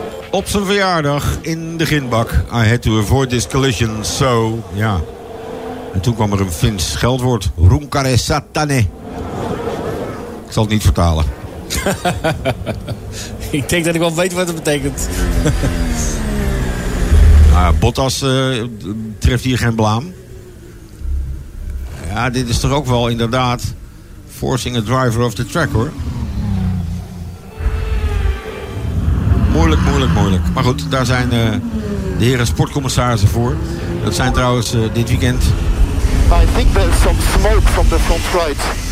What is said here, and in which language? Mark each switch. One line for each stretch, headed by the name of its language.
Dutch: Op zijn verjaardag in de grindbak.
English: I had to avoid this collision, so.
Dutch: Ja. En toen kwam er een Fins scheldwoord. Runkare satane. Ik zal het niet vertalen. Ik denk dat ik wel weet wat het betekent. Bottas treft hier geen blaam. Ja, dit is toch ook wel inderdaad
English: forcing a driver off the track,
Dutch: hoor. Moeilijk, moeilijk, moeilijk. Maar goed, daar zijn de heren sportcommissarissen voor. Dat zijn trouwens dit weekend.
English: I think there's some smoke from the front right.